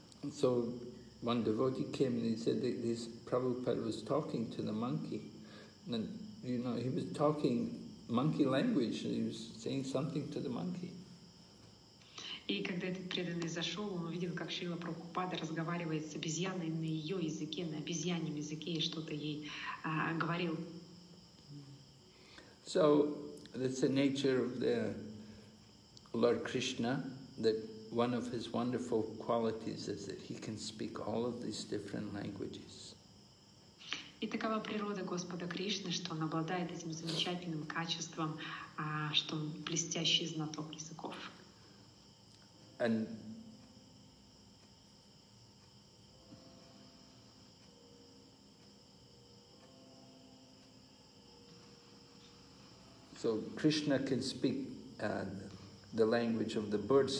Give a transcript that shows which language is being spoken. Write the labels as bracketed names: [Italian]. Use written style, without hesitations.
[English] So one devotee came and he said that this Prabhupada was talking to the monkey. And you know, he was talking monkey language, and he was saying something to the monkey. [Russian] И когда этот преданный зашел, он увидел, как Шрила Прабхупада разговаривает с обезьяной на ее языке, на обезьяньем языке, и что-то ей говорил. [English] So that's the nature of the Lord Krishna, that one of his wonderful qualities is that he can speak all of these different languages. [Russian] И такова природа Господа Кришны, что он обладает этим замечательным качеством, что он блестящий знаток языков. [English] And so Krishna can speak the language of the birds.